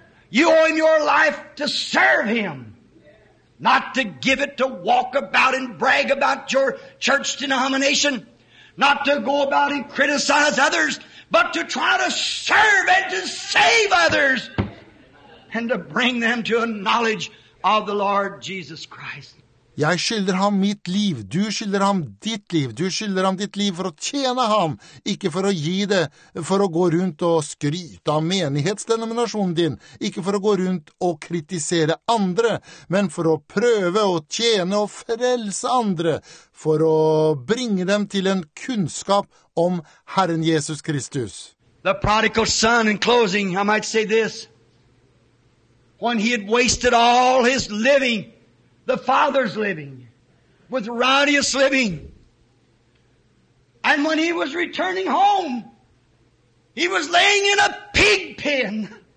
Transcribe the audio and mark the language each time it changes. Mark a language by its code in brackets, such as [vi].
[en] You owe him your life to serve him. Not to give it to walk about and brag about your church denomination. Not to go about and criticize others. but to try to serve and to save others and to bring them to a knowledge of the Lord Jesus Christ. [no] Jeg skylder ham mitt liv, du skylder ham ditt liv, du skylder ham ditt liv for å tjene ham, ikke for å gi det, for å gå rundt og skryte av menighetsdenominasjonen din, ikke for å gå rundt og kritisere andre, men for å prøve å tjene og frelse andre, for å bringe dem til en kunnskap om Herren Jesus Kristus. [en] The prodigal son, in closing, I might say this, when he had wasted all his living, the father's living, with riotous living. And when he was returning home, he was laying in a pig pen.